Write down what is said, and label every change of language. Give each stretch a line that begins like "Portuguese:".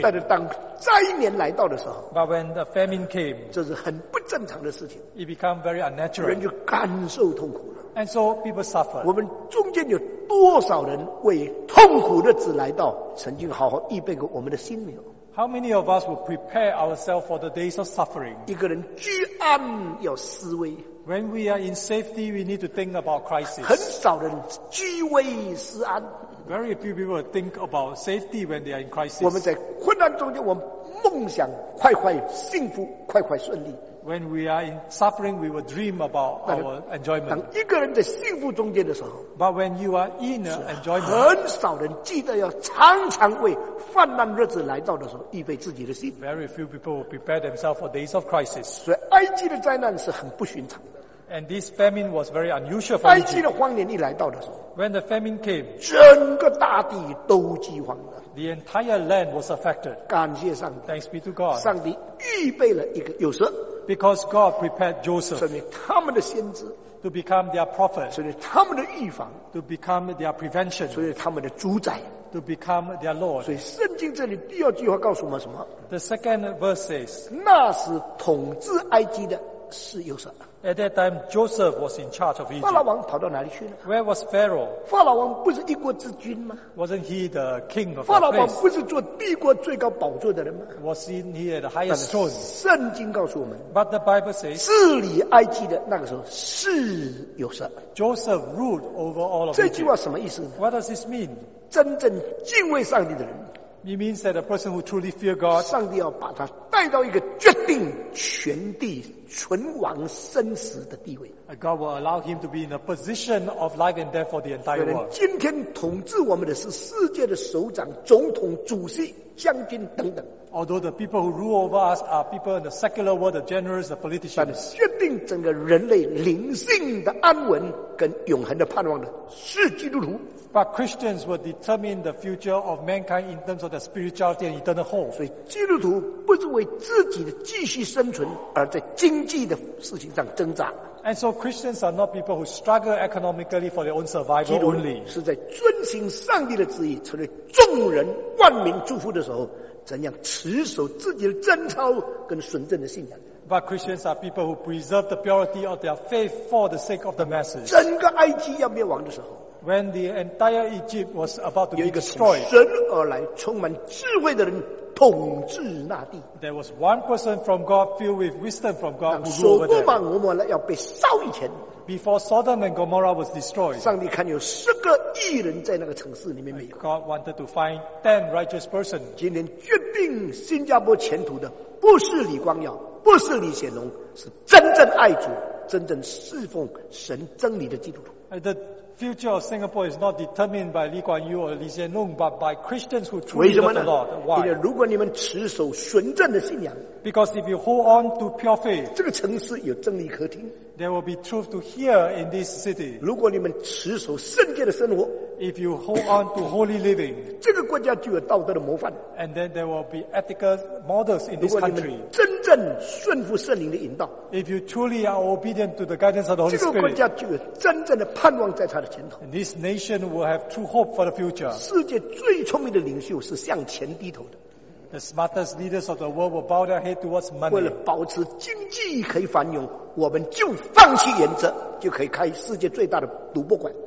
Chinese: 但是当灾年来到的时候
English: ，But when the famine came,
Chinese: 这是很不正常的事情。
English: It become very unnatural.
Chinese: 人就感受痛苦了。
English: And so people suffer.
Chinese: 我们中间有多少人为痛苦日子来到，曾经好好预备过我们的心没有
English: ？How many of us will prepare ourselves for the days of suffering?
Chinese: 一个人居安要思危。
English: When we are in safety, we need to think about crisis.
Chinese: 很少人居危思安。
English: Very few people think about safety when they are in crisis.
Chinese: 我们在困难中间，我们梦想快快幸福，快快顺利。
English: When we are in suffering, we will dream about our enjoyment.
Chinese: 当一个人在幸福中间的时候
English: ，But when you are in enjoyment,
Chinese: 很少人记得要常常为患难日子来到的时候预备自己的心。
English: Very few people will prepare themselves for days of crisis.
Chinese: 所以埃及的灾难是很不寻常的。
English: And this famine was very unusual for Egypt.
Chinese: 埃及的荒年一来到的时候
English: ，When the famine came,
Chinese: 整个大地都饥荒了。
English: The entire land was affected.
Chinese: 感谢上帝
English: ，Thanks be to God.
Chinese: 上帝预备了一个有时。
English: Because God prepared Joseph to become their prophet, to become their prevention, to become their Lord.
Chinese: 所以圣经这里第二句话告诉我们什么
English: ？The second verse says,
Chinese: 那时统治埃及的是约瑟。
English: At that time, Joseph was in charge of Egypt.
Chinese: 法老王跑到哪里去了
English: ？Where was Pharaoh?
Chinese: 法老王不是一国之君吗
English: ？Wasn't he the king of the place?
Chinese: 法老王不是坐帝国最高宝座的人吗
English: ？Was he at the highest throne?
Chinese: 圣经告诉我们
English: ，But the Bible says,
Chinese: 治理埃及的那个时候是约瑟。
English: Joseph ruled over all of Egypt.
Chinese: 这句话什么意思
English: ？What does this mean?
Chinese: 真正敬畏上帝的人。
English: It means that a person who truly fears God,
Chinese: 上帝要把他带到一个决定全地存亡生死的地位。
English: God will allow him to be in a position of life and death for the entire world.
Chinese: 今天统治我们的是世界的首长、总统、主席、将军等等。
English: Although the people who rule over us are people in the secular world, the generals, the politicians.
Chinese: 但决定整个人类灵性的安稳跟永恒的盼望的是基督徒。
English: But Christians will determine the future of mankind in terms of the spirituality and eternal hope.
Chinese: 所以基督徒不是为自己的继续生存而在经济的事情上挣扎。
English: And so Christians are not people who struggle economically for their own survival only.
Chinese: 基督徒是在遵行上帝的旨意，成为众人万民祝福的时候，怎样持守自己的贞操跟纯正的信仰。
English: But Christians are people who preserve the purity of their faith for the sake of the masses.
Chinese: 整个埃及要灭亡的时候。
English: When the entire Egypt was about to be destroyed,
Chinese: 有一个从神而来充满智慧的人统治那地。
English: There was one person from God filled with wisdom from God who ruled over there.
Chinese: 当所多玛、蛾摩拉要被烧以前。
English: Before Sodom and Gomorrah was destroyed,
Chinese: 上帝看有十个义人在那个城市里面没有。
English: God wanted to find 10 righteous persons.
Chinese: 今天决定新加坡前途的不是李光耀，不是李显龙，是真正爱主、真正侍奉神真理的基督徒。
English: The future of Singapore is not determined by Lee Kuan Yew or Lee Hsien Loong, but by Christians who truly love the Lord. Why?
Chinese: 如果你们持守纯正的信仰，
English: because if you hold on to pure faith,
Chinese: 这个城市有真理可听。
English: There will be truth to hear in this city.
Chinese: 如果你们持守圣洁的生活，
English: if you hold on to holy living,
Chinese: 这个国家就有道德的模范。
English: And then there will be ethical models in this country.
Chinese: 如果你们真正顺服圣灵的引导，
English: if you truly are obedient to the guidance of the Holy Spirit,
Chinese: 这个国家就有真正的盼望在它的前头。
English: And this nation will have true hope for the future.
Chinese: 世界最聪明的领袖是向前低头的。
English: The smartest leaders of the world will bow their head towards money.
Chinese: 为了保持经济可以繁荣，我们就放弃原则，就可以开世界最大的赌博馆。